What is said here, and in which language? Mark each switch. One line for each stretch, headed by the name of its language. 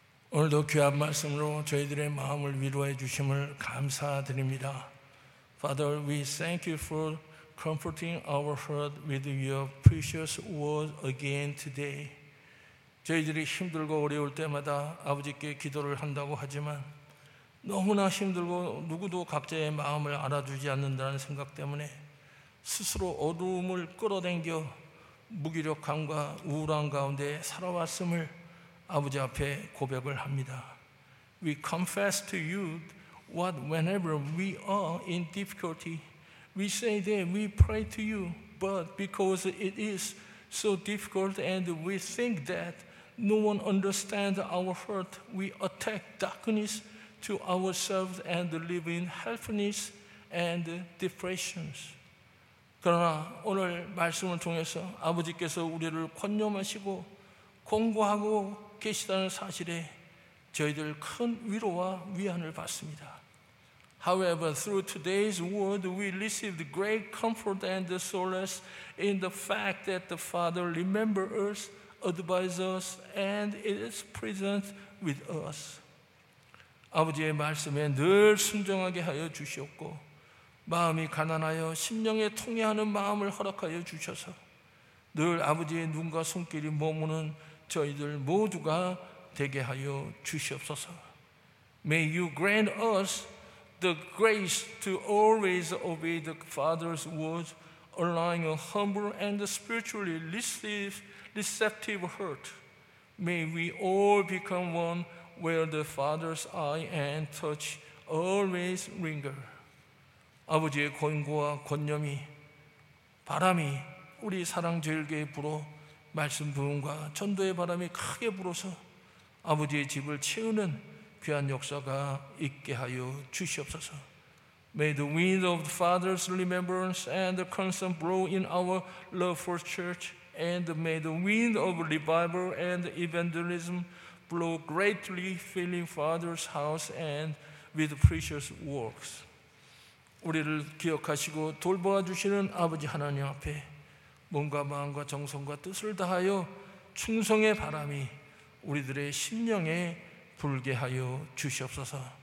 Korean: 오늘도 귀한 말씀으로 저희들의 마음을 위로해 주심을 감사드립니다.
English: Father, we thank you for comforting our heart with your precious word again today.
Korean: 저희들이 힘들고 어려울 때마다 아버지께 기도를 한다고 하지만 너무나 힘들고 누구도 각자의 마음을 알아주지 않는다는 생각 때문에 스스로 어두움을 끌어당겨 무기력함과 우울함 가운데 살아왔음을 아버지 앞에 고백을 합니다.
English: We confess to you what whenever we are in difficulty, we say that we pray to you, but because it is so difficult and we think that no one understands our hurt, we attack darkness to ourselves and live in helplessness and depressions.
Korean: 그러나 오늘 말씀을 통해서 아버지께서 우리를 권념하시고 권고하고 계시다는 사실에 저희들 큰 위로와 위안을 받습니다.
English: However, through today's word, we received great comfort and solace in the fact that the Father remembers us, advises us, and is present with us.
Korean: 아버지의 말씀에 늘 순종하게 하여 주셨고 마음이 가난하여 심령에 통회하는 마음을 허락하여 주셔서 늘 아버지의 눈과 손길이 머무는 저희들 모두가 되게 하여 주시옵소서.
English: May you grant us the grace to always obey the Father's words, allowing a humble and spiritually receptive heart. May we all become one where the Father's eye and touch always linger.
Korean: 아버지의 권고와 권념이 바람이 우리 사랑제일교회에 불어 말씀 부흥과 전도의 바람이 크게 불어서 아버지의 집을 채우는 귀한 역사가 있게 하여 주시옵소서.
English: May the wind of the Father's remembrance and the concern blow in our love for church, and may the wind of revival and evangelism blow greatly filling Father's house and with precious works.
Korean: 우리를 기억하시고 돌보아 주시는 아버지 하나님 앞에 몸과 마음과 정성과 뜻을 다하여 충성의 바람이 우리들의 심령에 불게 하여 주시옵소서.